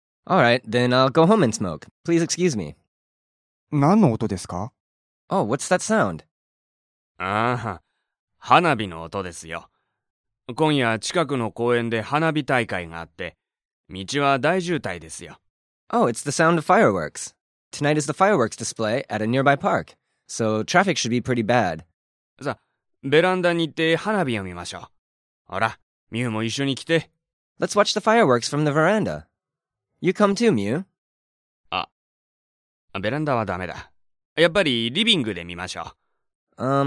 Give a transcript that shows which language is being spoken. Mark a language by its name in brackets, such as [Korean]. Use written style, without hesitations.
[English] Alright, then I'll go home and smoke. Please excuse me. [Japanese] 何の音ですか? [English] Oh, what's that sound? [Japanese] ああ、花火の音ですよ。今夜近くの公園で花火大会があって、道は大渋滞ですよ。 [English] Oh, it's the sound of fireworks. Tonight is the fireworks display at a nearby park, so traffic should be pretty bad. [Japanese] さあ、ベランダに行って花火を見ましょう。ほら、ミューも一緒に来て。 [English] Let's watch the fireworks from the veranda. You come too, ミュ [Japanese] ー。 あ、ベランダはダメだ。やっぱりリビングで見ましょう。